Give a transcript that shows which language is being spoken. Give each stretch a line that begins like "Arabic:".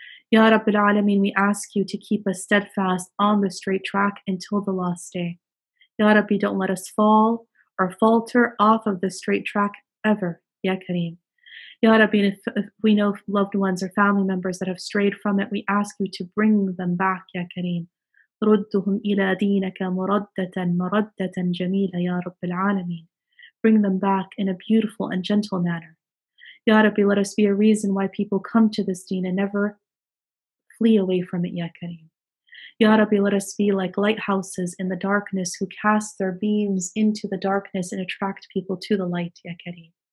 English: Ya Rabbil Alameen, we ask you to keep us steadfast on the straight track until the last day. Ya Rabbi, don't let us fall or falter off of the straight track ever, Ya Kareem. Ya Rabbi, if we know loved ones or family members that have strayed from it, we ask you to bring them back, Ya Kareem.
Arabic: رُدُّهُمْ إِلَى دِينَكَ مُرَدَّةً مُرَدَّةً جَمِيلًا Ya Rabbil Alameen.
English: Bring them back in a beautiful and gentle manner. Ya Rabbi, let us be a reason why people come to this deen and never flee away from it, Ya Kareem. Ya Rabbi, let us be like lighthouses in the darkness who cast their beams into the darkness and attract people to the light, Ya Kareem.